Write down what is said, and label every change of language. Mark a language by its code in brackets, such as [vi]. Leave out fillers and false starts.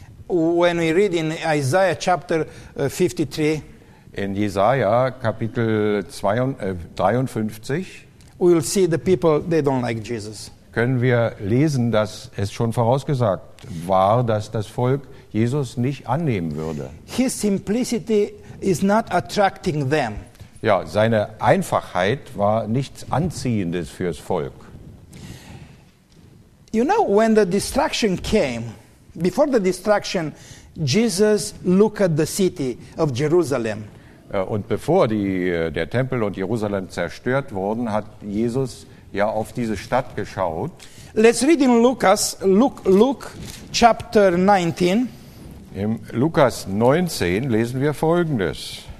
[en] When we read in Isaiah chapter 53, [de] in Jesaja Kapitel 53, [en] we will see the people, they don't like Jesus. [de] Können wir lesen, dass es schon vorausgesagt war, dass das Volk Jesus nicht annehmen würde. [en] His simplicity is not attracting them. [de] Ja, seine Einfachheit war nichts Anziehendes fürs Volk. [en] You know, when the destruction came, before the destruction, Jesus looked at the city of Jerusalem. [de] Und bevor der Tempel und Jerusalem zerstört wurden, hat Jesus ja auf diese Stadt geschaut. [en] Let's read in Luke chapter 19. [de] Im Lukas 19 lesen wir Folgendes.